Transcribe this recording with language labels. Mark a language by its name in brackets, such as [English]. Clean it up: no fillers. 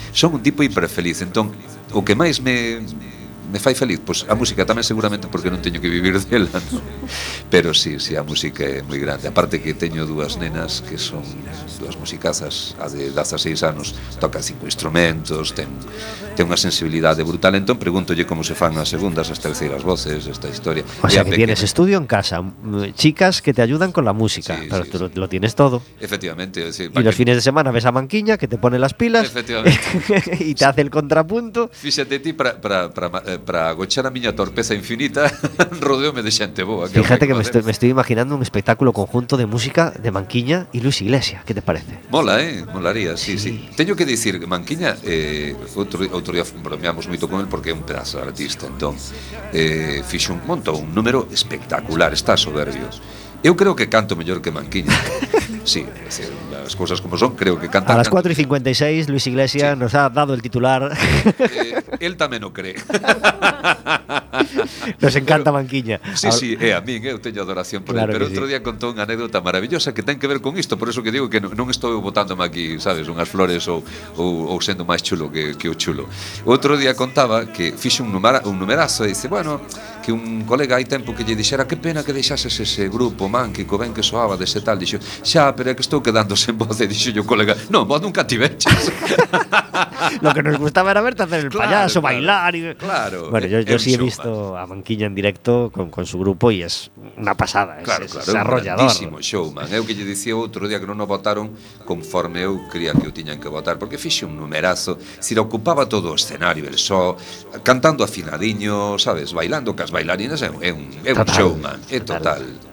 [Galician] Son un tipo hiperfeliz. Entón, o que máis me fai feliz, pois a música tamén, seguramente porque non teño que vivir dela, ¿no? Pero sí, a música é moi grande. Aparte que teño dúas nenas que son dúas musicazas, a de 16 anos toca 5 instrumentos, ten unha sensibilidade brutal. Entón pregúntolle como se fan as segundas, as terceiras voces, esta historia. [Spanish] O sea, que tienes estudio en casa, chicas que te ayudan con la música, sí, pero sí, tú sí. Lo tienes todo. Efectivamente. Sí, y los fines de semana ves a Manquiña que te pone las pilas. Efectivamente. Y te hace el contrapunto. [Galician] Fíxate ti para agochar a miña torpeza infinita, rodeome de xente boa. [Spanish] Fíjate que me estoy imaginando un espectáculo conjunto de música de Manquiña y Luis Iglesias. ¿Qué te parece? Mola, molaría, sí. [Galician] Teño que decir que Manquiña, outro día bromeamos moito con él porque é un pedazo de artista. Entón, fixo un número espectacular, está soberbio. Eu creo que canto mellor que Manquiña. Sí, as cousas como son, creo que canta. [Spanish] A las 4:56 Luis Iglesias, sí, nos ha dado el titular. [Galician] Él tamén o cree. [Spanish] Nos encanta, pero Manquiña. [Galician] Sí, ahora, sí, a mí, eu teño adoración por claro él. Pero outro día contou unha anécdota maravillosa que ten que ver con isto, por eso que digo que non estou botándome aquí, sabes, unhas flores ou sendo máis chulo que o chulo. Outro día contaba que fixe un numerazo e dice, bueno, que un colega hai tempo que lle dixera que pena que deixases ese grupo, man, que co ben que soaba de ese tal. Dixo, xa, pero é que estou quedando sen voz. E dixo o colega, non, vos nunca te veches. [Spanish] Lo que nos gustaba era verte hacer el payaso, claro, bailar y... Claro. Bueno, yo sí he visto a Manquiña en directo con su grupo y es una pasada. Claro, es arrollador. [Galician] Un grandísimo showman. Eu que lle dicía outro día que non o votaron conforme eu cría que o tiñan que votar, porque fixe un numerazo, [Spanish] se le ocupaba [Galician] todo o escenario, el só, cantando afinadiño, sabes, bailando cas bailarinas, é un showman. É total.